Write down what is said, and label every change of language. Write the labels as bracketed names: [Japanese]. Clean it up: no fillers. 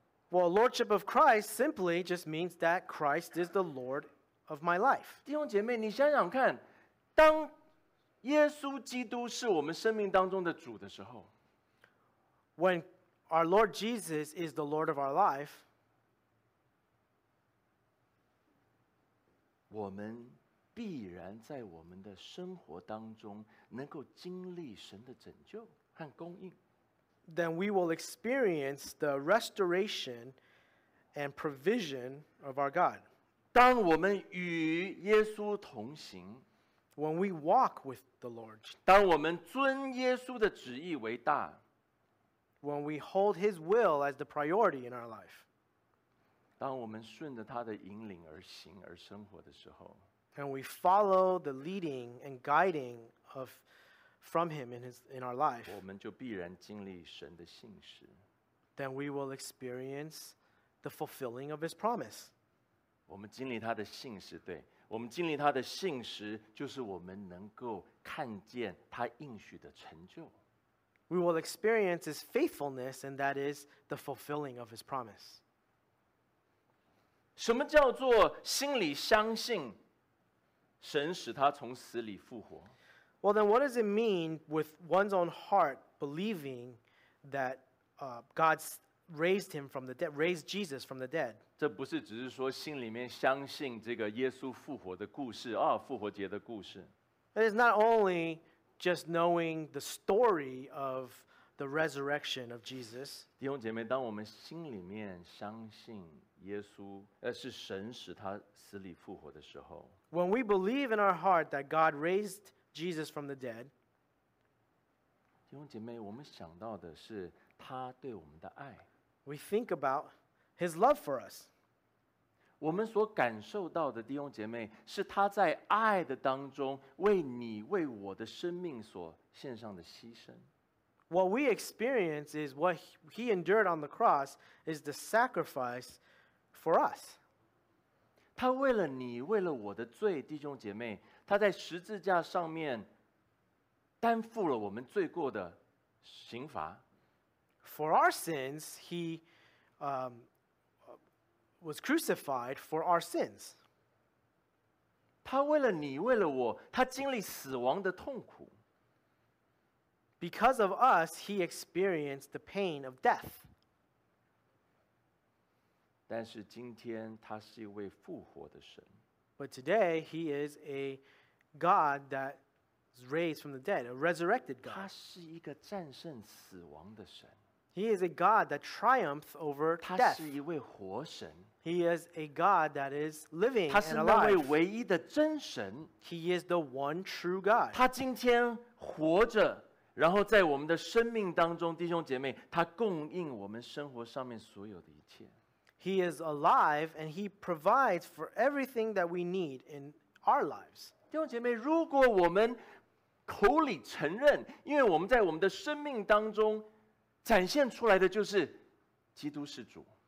[English] Well, Lordship of Christ simply just means that Christ is the Lord of my life. [Chinese] 弟兄姐妹，你想想看，当耶稣基督是我们生命当中的主的时候， [English] When our Lord Jesus is the Lord of our life, [Chinese] 我们必然在我们的生活当中能够经历神的拯救和供应。 [English] Then we will experience the restoration and provision of our God. [Chinese] 当我们与耶稣同行， [English] When we walk with the Lord. [Chinese] 当我们尊耶稣的旨意为大， [English] When we hold His will as the priority in our life. [Chinese] 当我们顺着他的引领而行而生活的时候， [English] And we follow the leading and guiding of from Him in our life. [Chinese] 我们就必然经历神的信实。 [English] Then we will experience the fulfilling of His promise. [Chinese] 我们经历他的信实，对，我们经历他的信实，就是我们能够看见他应许的成就。 [English] We will experience His faithfulness, and that is the fulfilling of His promise. [Chinese] 什么叫做心里相信神使他从死里复活？ [English] Well, then what does it mean with one's own heart believing that God raised him from the dead, raised Jesus from the dead? [Chinese] 这不是只是说心里面相信这个耶稣复活的故事，啊，复活节的故事。 [English] It is not only just knowing the story of the resurrection of Jesus. [Chinese] 弟兄姐妹，当我们心里面相信耶稣，是神使他死里复活的时候， [English] When we believe in our heart that God raised Jesus from the dead, [Chinese] 弟兄姐妹，我们想到的是他对我们的爱。 [English] We think about His love for us. [Chinese] 我们所感受到的，弟兄姐妹，是他在爱的当中为你为我的生命所献上的牺牲。 [English] What we experience is what He endured on the cross is the sacrifice for us. [Chinese] 他为了你，为了我的罪，弟兄姐妹，他在十字架上面担负了我们罪过的刑罚。 [English] For our sins, He was crucified for our sins. [Chinese] 他为了你，为了我，他经历死亡的痛苦。 [English] Because of us, He experienced the pain of death. [Chinese] 但是今天他是一位复活的神。 [English] But today, He is a God that is raised from the dead, a resurrected God. [Chinese] 他是一个战胜死亡的神。 [English] He is a God that triumphs over death. [Chinese] 他是一位活神。 [English] He is a God that is living and alive. [Chinese] 他是那位唯一的真神。 [English] He is the one true God. [Chinese] 他今天活着。然后在我们的生命当中，弟兄姐妹，他供应我们生活上面所有的一切。 [English] He is alive and He provides for everything that we need in our lives. [Chinese] 弟兄姐妹，如果我们口里承认，因为我们在我们的生命当中展现出来的就是基督是主。